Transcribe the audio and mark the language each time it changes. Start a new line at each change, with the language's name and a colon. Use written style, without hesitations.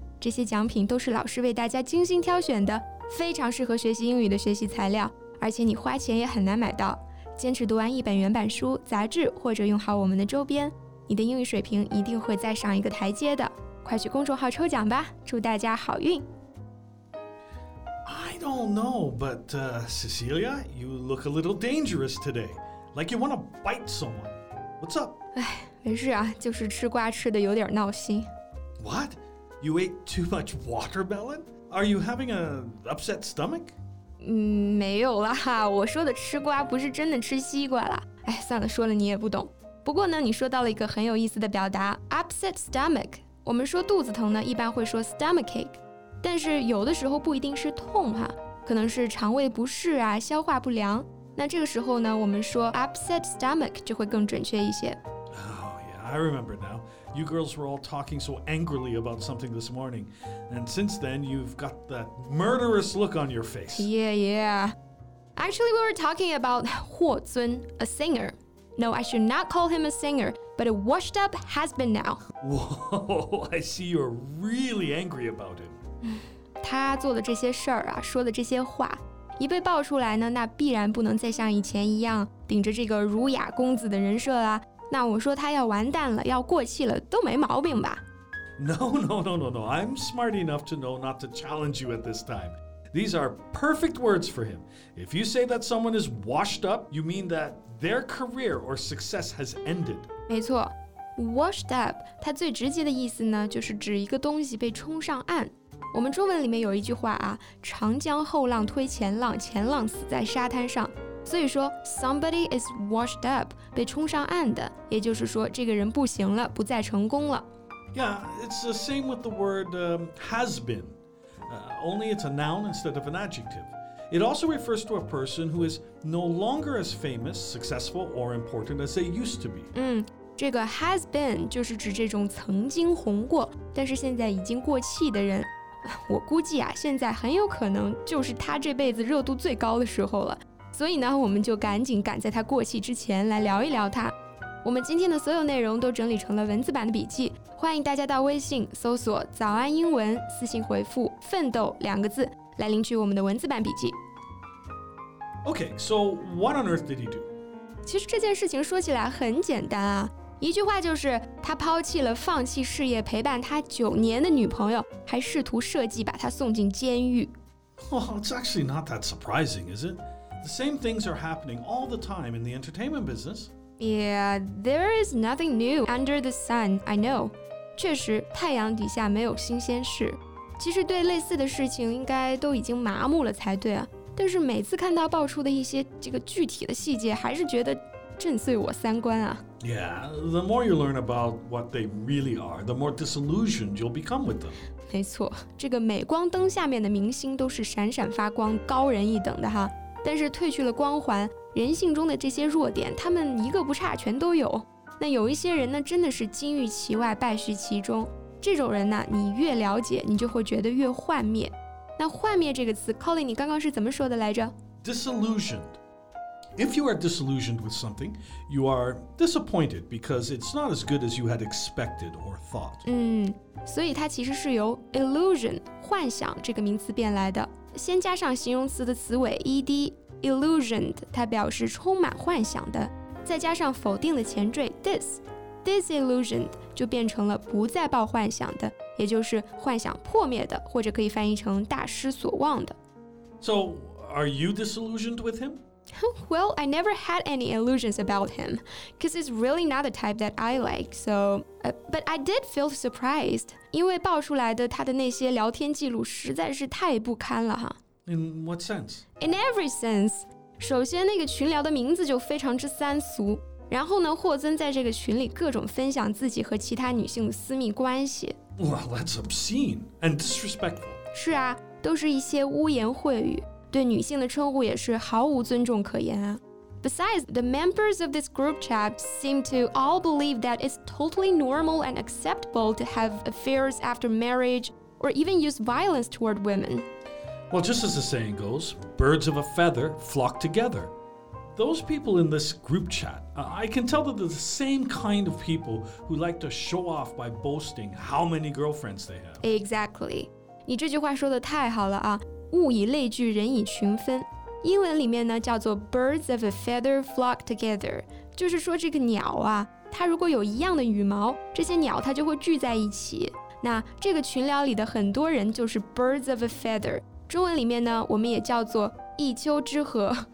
Chinese: 这些奖品都是老师为大家精心挑选的，非常适合学习英语的学习材料，而且你花钱也很难买到。坚持读完一本原版书、杂志，或者用好我们的周边，你的英语水平一定会再上一个台阶的。快去公众号抽奖吧，祝大家好运。
English: I don't know, but Cecilia, you look a little dangerous today. Like you want to bite someone. What's up?
Chinese: 哎，没事啊，就是吃瓜吃的有点闹心。
English: What? You ate too much watermelon? Are you having an upset stomach?
Chinese: 没有啦，我说的吃瓜不是真的吃西瓜啦。哎，算了，说了你也不懂。不过呢，你说到了一个很有意思的表达
English: upset stomach。
Chinese: 我们说肚子疼呢，一般会说 stomachache。但是有的时候不一定是痛哈，可能是肠胃不适啊，消化不良。那这个时候呢，我们说
English: upset stomach
Chinese: 就会更准确一些。
English: Oh yeah, I remember now. You girls were all talking so angrily about something this morning. And since then, you've got that murderous look on your face. Yeah, yeah. Actually, we were talking about Huo Zun, a singer. No, I should not call him a singer. But a washed-up has-been now. Whoa, I see you're really angry about him.
Chinese: 他做的这些事儿啊，说的这些话，一被爆出来呢，那必然不能再像以前一样顶着这个儒雅公子的人设啦。那我说他要完蛋了，要过气了，都没毛病吧
English: ？No. I'm smart enough to know not to challenge you at this time. These are perfect words for him. If you say that someone is washed up, you mean that their career or success has ended.
Chinese: 没错 ，washed up， 它最直接的意思呢，就是指一个东西被冲上岸。我们中文里面有一句话啊，长江后浪推前浪，前浪死在沙滩上。所以说 ，
English: somebody is washed up，
Chinese: 被冲上岸的，也就是说，这个人不行了，不再成功了。
English: Yeah， it's the same with the word has been， only it's a noun instead of an adjective. It also refers to a person who is no longer as famous, successful, or important as they used to be.
Chinese: 这个
English: has been
Chinese: 就是指这种曾经红过，但是现在已经过气的人。我估计啊，现在很有可能就是他这辈子热度最高的时候了。所以呢，我们就赶紧赶在他过气之前来聊一聊他。我们今天的所有内容都整理成了文字版的笔记，欢迎大家到微信搜索“早安英文”，私信回复“奋斗”两个字。来领取我们的文字版笔记。
English: Okay, so what on earth did he do?
Chinese: 其实这件事情说起来很简单啊，一句话就是他抛弃了放弃事业陪伴他九年的女朋友，还试图设计把他送进监狱。
English: Well, it's actually not that surprising, is it? The same things are happening all the time in the entertainment business. Yeah, there is nothing new under the sun, I know.
Chinese: 确实，太阳底下没有新鲜事。其实对类似的事情应该都已经麻木了才对啊，但是每次看到爆出的一些这个具体的细节，还是觉得震碎我三观啊。
English: Yeah, the more you learn about what they really are, the more disillusioned you'll become with them.
Chinese: 没错，这个镁光灯下面的明星都是闪闪发光，高人一等的哈。但是褪去了光环，人性中的这些弱点，他们一个不差全都有。那有一些人呢，真的是金玉其外，败絮其中。这种人呢，你越了解，你就会觉得越幻灭。那幻灭这个词 ，Colin， 你刚刚是怎么说的来着
English: ？Disillusioned. If you are disillusioned with something, you are disappointed because it's not as good as you had expected or thought.
Chinese: 所以它其实是由 illusion 幻想这个名词变来的。先加上形容词的词尾 ed， illusioned， 它表示充满幻想的。再加上否定的前缀 dis。Disillusioned 就变成了不再抱幻想的，也就是幻想破灭的，或者可以翻译成大失所望的。
English: So, are you disillusioned with him? Well, I never had any illusions about him, because it's really not the type that I like. So, but I did feel surprised,
Chinese: 因为爆出来的他的那些聊天记录实在是太不堪了哈。
English: In what sense? In every sense.
Chinese: 首先，那个群聊的名字就非常之三俗。然后呢，霍尊在这个群里各种分享自己和其他女性的私密关系。
English: Well, that's obscene and disrespectful.
Chinese: 是啊，都是一些污言秽语，对女性的称呼也是毫无尊重可言啊。
English: Besides, the members of this group chat seem to all believe that it's totally normal and acceptable to have affairs after marriage or even use violence toward women. Well, just as the saying goes, birds of a feather flock together. Those people in this group chat, I can tell that they're the same kind of people who like to show off by boasting how many girlfriends they have. Exactly.
Chinese: 你这句话说得太好了啊，物以类聚，人以群分。英文里面呢叫做
English: birds of a feather flock together，
Chinese: 就是说这个鸟啊，它如果有一样的羽毛，这些鸟它就会聚在一起。那这个群聊里的很多人就是
English: birds of a feather，
Chinese: 中文里面呢我们也叫做一丘之貉。